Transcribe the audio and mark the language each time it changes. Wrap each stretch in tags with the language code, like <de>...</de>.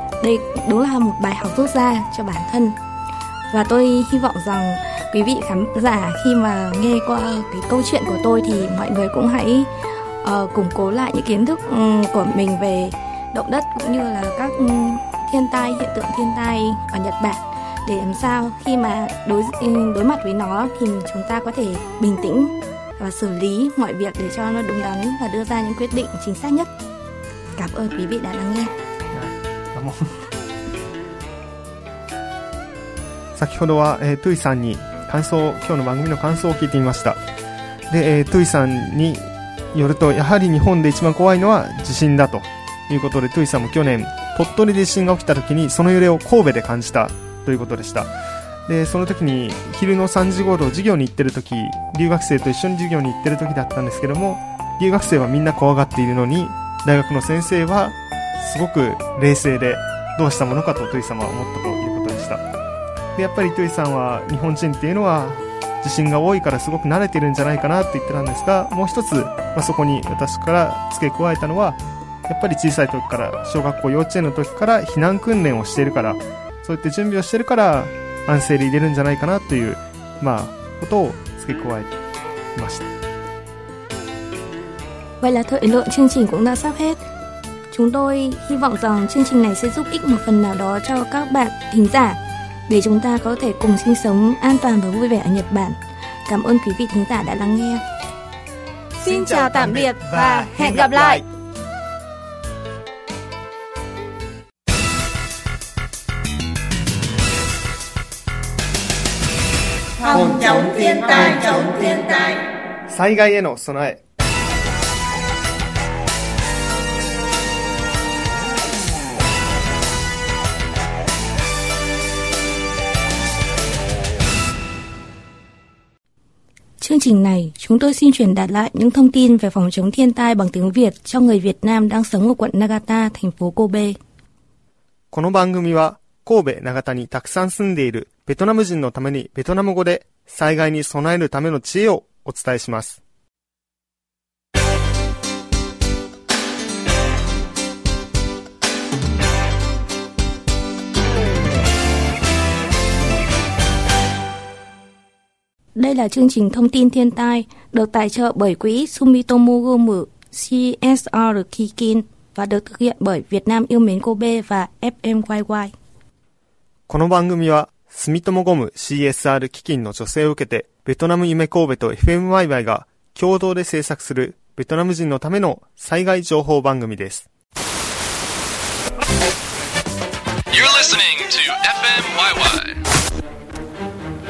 <vi>Đây đúng là một bài học rút ra cho bản thân. Và tôi hy vọng rằng quý vị khán giả khi mà nghe qua cái câu chuyện của tôi thì mọi người cũng hãy củng cố lại những kiến thức của mình về động đất cũng như là các thiên tai, hiện tượng thiên tai ở Nhật Bản, để làm sao khi mà đối mặt với nó thì chúng ta có thể bình tĩnh và xử lý mọi việc để cho nó đúng đắn và đưa ra những quyết định chính xác nhất. Cảm ơn quý vị đã lắng nghe. Cảm ơn.</vi> <ja>先ほどは、トゥイさんに感想、今日の番組の感想を聞いてみました。で、トゥイさんによると、やはり日本で一番怖いのは地震だということで、トゥイさんも去年鳥取で地震が起きた時にその揺れを神戸で感じたということでした。で、その時に昼の3時頃授業に行ってる時、留学生と一緒に授業に行ってる時だったんですけども、留学生はみんな怖がっているのに大学の先生はすごく冷静で、どうしたものかとトゥイさんは思ったと。やっぱり糸井さんは日本人っていうのは地震が多いからすごく慣れてるんじゃないかなって言ってたんですが、もう一つ、まあ、そこに私から付け加えたのは、やっぱり小さい時から小学校幼稚園の時から避難訓練をしているから、そうやって準備をしているから安静でいれるんじゃないかなという、まあ、ことを付け加えました。</ja> <vi>Vậy là thời lượng chương trình cũng đã sắp hết. Chúng tôi hy vọng rằng chương trình này sẽ giúp ích một phần nào đó cho các bạn thính giả, để chúng ta có thể cùng sinh sống an toàn và vui vẻ ở Nhật Bản. Cảm ơn quý vị thính giả đã lắng nghe. Xin chào tạm biệt và hẹn gặp lại. Phòng chống thiên tai, chống thiên tai.</vi> <ja>災害への備え。</ja> <vi>Chương trình này, chúng tôi xin truyền đạt lại những thông tin về phòng chống thiên tai bằng tiếng Việt cho người Việt Nam đang sống ở quận Nagata, thành phố Kobe.</vi> <ja>この番組は神戸長田にたくさん住んでいるベトナム人のためにベトナム語で災害に備えるための知恵をお伝えします。</ja> <vi>Đây là chương trình thông tin thiên tai được tài trợ bởi quỹ Sumitomo Gumu CSR Kikin và được thực hiện bởi Việt Nam yêu mến Kobe và FMYY.</vi> <ja>この番組は住友ゴム CSR 基金の助成を受けてベトナム夢神戸と FMYY が共同で制作するベトナム人のための災害情報番組です。</ja> <en>You're listening to FMYY.</en>